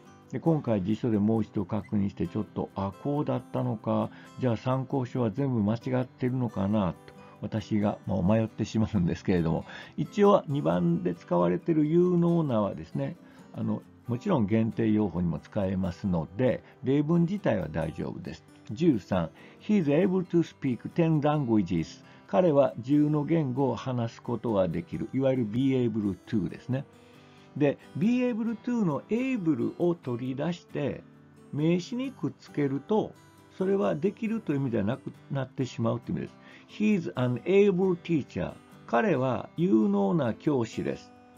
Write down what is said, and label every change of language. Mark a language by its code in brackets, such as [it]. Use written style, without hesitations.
[ja] で、今回辞書でもう一度確認して、ちょっとこうだったのか、じゃあ参考書は全部間違っているのかなと私が迷ってしまうんですけれども、一応2番で使われている有能なはですね、もちろん限定用法にも使えますので、例文自体は大丈夫です。 [en] 13、He is able to speak 10 languages. [ja] 彼は10の言語を話すことができる。いわゆる be able to ですね。で、be able to の able を取り出して、名詞にくっつけると、それはできるという意味ではなくなってしまうという意味です。 [en] He is an able teacher. [ja] 彼は有能な教師です。